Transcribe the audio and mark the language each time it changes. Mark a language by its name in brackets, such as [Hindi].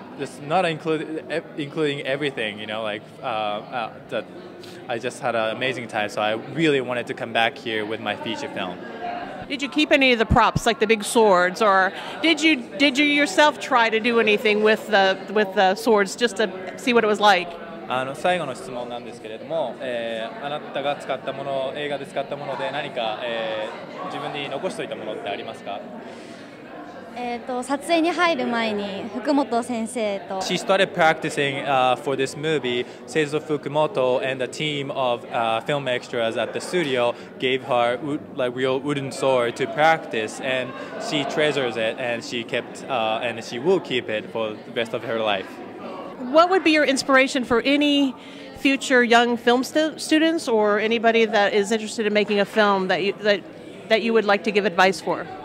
[English] Just not including everything, you know, like that. I just had an amazing time, so I really wanted to come back here with my feature film. Did you keep any of the props, like the big swords, or did you yourself try to do anything with the swords just to see what it was like? [Japanese] 最後の質問なんですけれども、あなたが使ったもの、映画で使ったもので何か、自分に残しておいたものってありますか？撮影に入る前に福本先生と [English] She started practicing for this movie. Seizo Fukumoto and a team of film extras at the studio gave her like real wooden sword to practice, and she treasures it, and she kept and she will keep it for the rest of her life. What would be your inspiration for any future young film students or anybody that is interested in making a film that you would like to give advice for?